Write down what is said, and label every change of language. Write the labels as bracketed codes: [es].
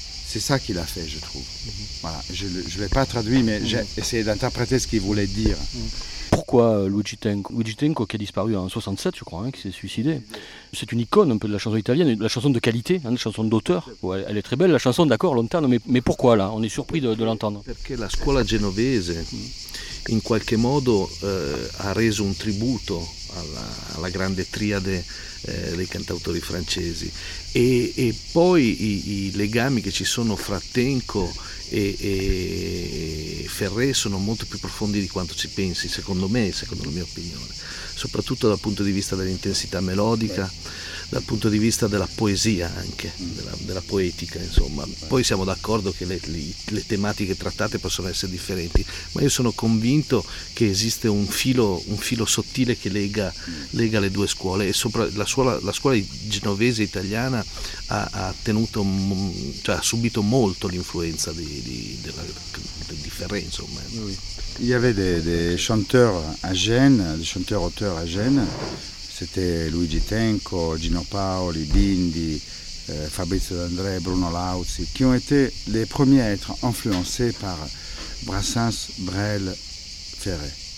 [fr] C'est ça qu'il a fait, je trouve. Mm-hmm. Voilà. Je ne l'ai pas traduit, mais j'ai essayé d'interpréter ce qu'il voulait dire. Pourquoi Luigi Tenco ? Luigi Tenco, qui a disparu en 67, je crois, hein, qui s'est suicidé. C'est une icône un peu de la chanson italienne, la chanson de qualité, hein, la chanson d'auteur. Ouais, elle est très belle, la chanson, d'accord, lontano, mais pourquoi là ? On est surpris de l'entendre. [it] Parce que la scuola genovese, in qualche modo, a reso un tributo alla grande triade dei cantautori francesi. E poi i legami che ci sono fra Tenco e Ferré sono molto più profondi di quanto ci pensi, secondo me, secondo la mia opinione, soprattutto dal punto di vista dell'intensità melodica, dal punto di vista della poesia anche, della poetica, insomma. Poi siamo d'accordo che le tematiche trattate possono essere differenti, ma io sono convinto che esiste un filo sottile che lega le due scuole, e sopra la scuola genovese italiana ha subito molto l'influenza di Ferré, insomma. [fr] Il y avait des chanteurs à Gênes, des chanteurs auteurs à Gênes. C'était Luigi Tenco, Gino Paoli, Bindi, Fabrizio D'André, Bruno Lauzi, qui ont été les premiers à être influencés par Brassens, Brel, Ferré.